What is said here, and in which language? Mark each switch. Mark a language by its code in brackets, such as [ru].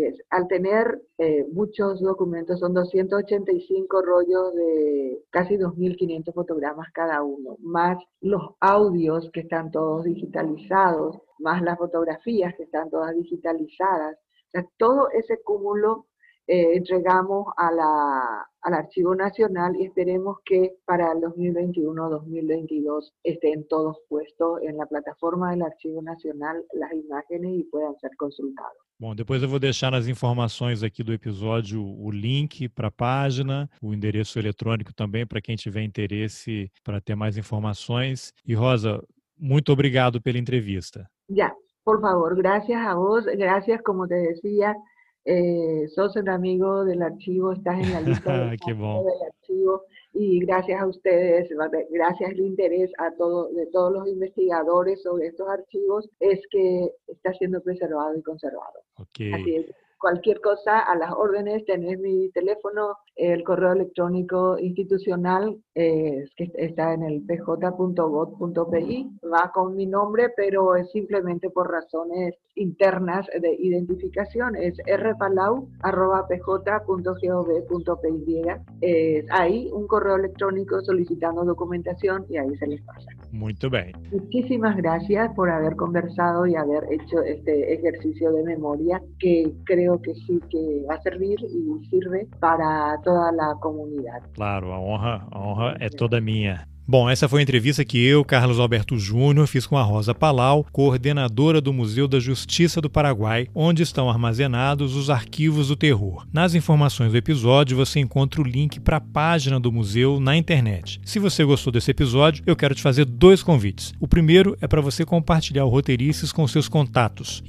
[es] Al tener muchos documentos, son 285 rollos de casi 2.500 fotogramas cada uno, más los audios que están todos digitalizados, más las fotografías que están todas digitalizadas. O sea, todo ese cúmulo entregamos a al Archivo Nacional y esperemos que para el 2021-2022 estén todos puestos en la plataforma del Archivo Nacional las imágenes y puedan ser consultados. [pt] Bom, depois eu vou deixar nas informações aqui do episódio o link para a página, o endereço eletrônico também para quem tiver interesse para ter mais informações. E Rosa, muito obrigado pela entrevista. Já. [es] Por favor, gracias a vos, gracias, como te decía, sos un amigo del archivo, estás en la lista de del archivo, y gracias a ustedes, gracias al interés a todo, de todos los investigadores sobre estos archivos, es que está siendo preservado y conservado. Okay. Así es, cualquier cosa, a las órdenes, tenés mi teléfono, el correo electrónico institucional, que está en el pj.gov.pi, va con mi nombre, pero es simplemente por razones internas de identificación, es rpalau@pj.gov.pi, ahí un correo electrónico solicitando documentación y ahí se les pasa. Muy bien. Muchísimas gracias por haber conversado y haber hecho este ejercicio de memoria, que creo que sí que va a servir y sirve para toda la comunidad. Claro, a honra es toda mía. [pt] Bom, essa foi a entrevista que eu, Carlos Alberto Júnior, fiz com a Rosa Palau, coordenadora do Museu da Justiça do Paraguai, onde estão armazenados os arquivos do terror. Nas informações do episódio, você encontra o link para a página do museu na internet. Se você gostou desse episódio, eu quero te fazer dois convites. O primeiro é para você compartilhar o Roteirices com seus contatos.